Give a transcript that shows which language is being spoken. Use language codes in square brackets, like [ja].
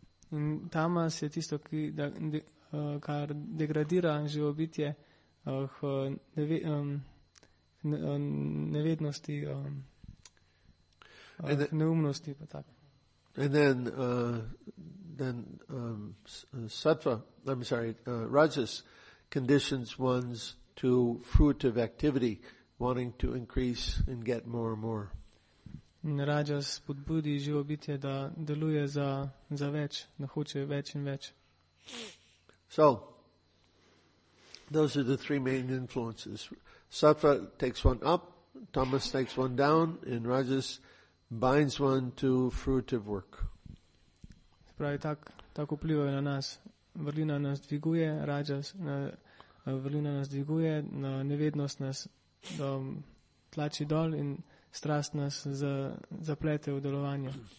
[sl] In tamas je tisto, ki kar degradira živo bitje k nevednosti, k neumnosti, pa tak. [en] And then sattva, I'm sorry, rajas conditions ones to fruit of activity, wanting to increase and get more and more. [sl] Rajas spodbudi živo bitje, da deluje za več, da hoče več in več. [en] So, those are the three main influences. Sattva takes one up, tamas takes one down, and rajas binds one to fruitive work. [sl] Pravi, tak vplivajo na nas. Vrlina nas dviguje, rajas, vrlina nas dviguje, nevednost nas tlači dol in strast nas zaplete v delovanje.